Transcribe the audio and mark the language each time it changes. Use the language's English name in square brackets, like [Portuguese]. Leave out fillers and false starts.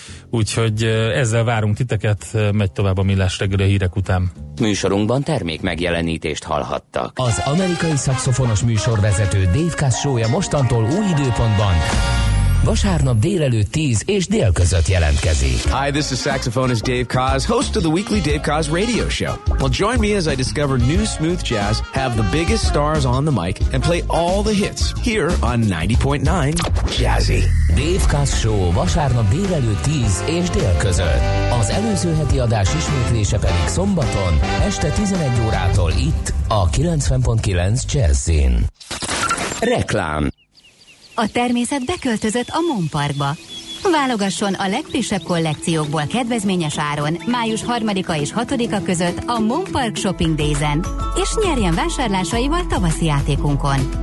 [Hungarian] Úgyhogy ezzel várunk titeket, megy tovább a Millás reggeli hírek után. Műsorunkban termék megjelenítést hallhattak. Az amerikai szaxofonos műsorvezető Dave Castro-ja mostantól új időpontban vasárnap délelőtt 10 és dél között jelentkezik. [English] Hi, this is saxophonist Dave Koz, host of the weekly Dave Koz Radio Show. Well, join me as I discover new smooth jazz, have the biggest stars on the mic, and play all the hits here on 90.9 Jazzy. [Hungarian] Dave Koz Show vasárnap délelőtt 10 és dél között. Az előző heti adás ismétlése pedig szombaton, este 11 órától itt a 90.9 Jazzy-n. Reklám. A természet beköltözött a Mon Parkba. Válogasson a legfrissebb kollekciókból kedvezményes áron május 3-a és 6-a között a Moon Park Shopping Days-en, és nyerjen vásárlásaival tavaszi játékunkon.